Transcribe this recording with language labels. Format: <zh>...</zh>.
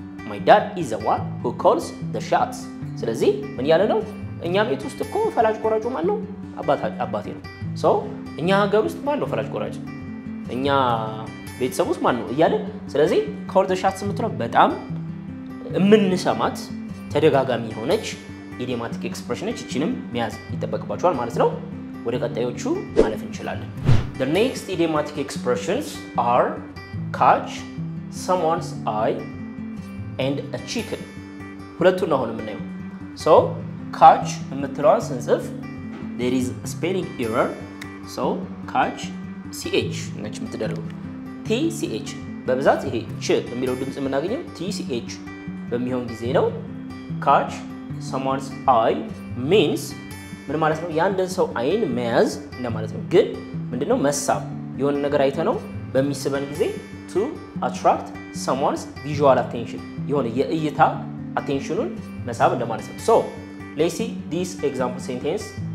<en>my dad is the one who calls the shots.</en> <am>ስለዚህ ምን ያለ ነው እኛ ቤት ውስጥ እኮ ፈላጭ ቆራጭ ማን ነው? አባቴ ነው. so እኛ ሀገር ውስጥ ማን ነው ፈላጭ ቆራጭ? እኛ ቤት ሰው ውስጥ ማን ነው ይላል. ስለዚህ call the shots የምትለው በጣም የምንሰማት ተደጋጋሚ ሆነች ኢዲዮማቲክ ኤክስፕረሽኖች እቺንም ሚያዝ ይተበቀባቸዋል ማለት ነው. ወደ ቀጣዮቹ ማለፍ እንችላለን.</am> <en>the next idiomatic expressions are catch someone's eye and a chicken.</en> <am>ሁለቱን ነው አሁን ምን ነው?</am> <en>so catch</en> <am>የምትለው ስንጽፍ</am> <en>there is a spelling error.</en> <am>so catch ch ነጭ የምትደረጉ tch በብዛት ይሄ ch የሚለው ድምጽ ምን አገኘው tch በሚሆን ጊዜ ነው.</am> <en>catch someone's eye means</en> <am>ምን ማለት ነው? ያንደን ሰው አይን መያዝ እንደ ማለት ነው. ግን ምንድነው መሳብ የሆነ ነገር አይተ ነው በሚስበን ጊዜ</am> <en>to attract someone's visual attention</en> <am>የሆነ የእይታ አቴንሽኑን መሳብ እንደ ማለት ነው.</am> <en>so let's see this example sentence.</en>